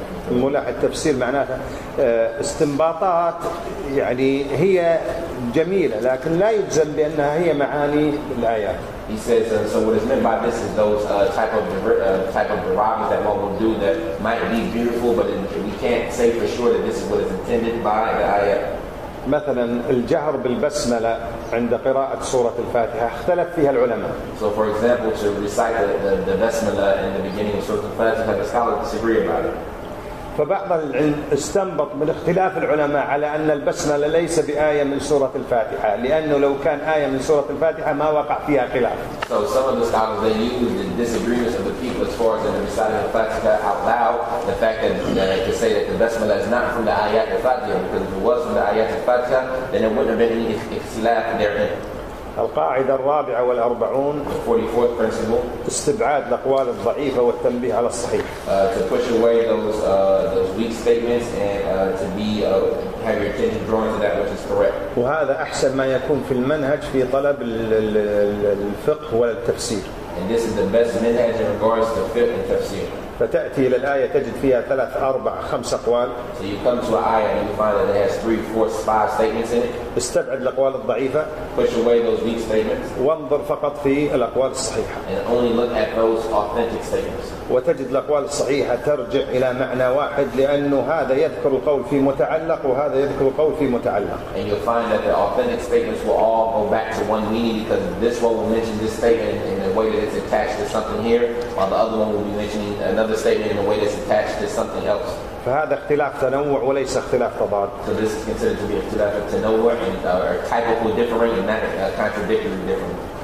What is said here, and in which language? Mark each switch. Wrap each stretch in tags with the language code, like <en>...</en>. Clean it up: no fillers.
<ar>ملاح التفسير معناها استنباطات يعني هي جميلة لكن لا يجزم بأنها هي معاني الآيات.</ar> <en>He says so what is meant by this is those type of derivatives that one will do that might be beautiful but we can't say for sure that this is what is intended by the ayah.</en> <ar>مثلا الجهر بالبسملة عند قراءة سورة الفاتحة اختلف فيها العلماء.</ar> <en>So for example, to recite the Basmala in the beginning of Surah Al-Fatiha, the scholars disagree about it.</en> <ar>فبعض العلم استنبط من اختلاف العلماء على أن البسملة ليس بآية من سورة الفاتحة، لأنه لو كان آية من سورة الفاتحة ما وقع فيها خلاف.</ar> <en>So some of the scholars, they used the disagreements of the people as far as in the reciting of Fatiha out loud, the fact that to say that the Basmala is not from the Ayat al-Fatiha, because if it was from the Ayat al-Fatiha, then it wouldn't have been any ikhtilaf therein.</en> <ar>القاعدة الرابعة والأربعون استبعاد الأقوال الضعيفة والتنبيه على الصحيح.</ar> <en>To push away those weak statements and to be have your attention drawn to that which is correct.</en> <ar>وهذا أحسن ما يكون في المنهج في طلب الفقه والتفسير.</ar> <en>And this is the best manhaj in regards to fiqh and tafsir.</en> <ar>فتأتي إلى الآية تجد فيها ثلاث أربع خمس أقوال.</ar> <en>So you come to an ayah and you find that it has three, four, five statements in it.</en> <ar>استبعد الأقوال الضعيفة.</ar> <en>Push away those weak statements.</en> <ar>وانظر فقط في الأقوال الصحيحة.</ar> <en>And only look at those authentic statements.</en> <ar>وتجد الأقوال الصحيحة ترجع إلى معنى واحد، لأنه هذا يذكر القول في متعلق وهذا يذكر القول في متعلق.</ar> <en>And you'll find that the authentic statements will all go back to one meaning, because this one will mention this statement in the way that it's attached to something here, while the other one will be mentioning another statement in the way that it's attached to something else.</en> <ar>فهذا اختلاف تنوع وليس اختلاف تضاد.</ar> <en>So this is considered to be اختلاف التنوع and typical differing and not contradictory differing.</en>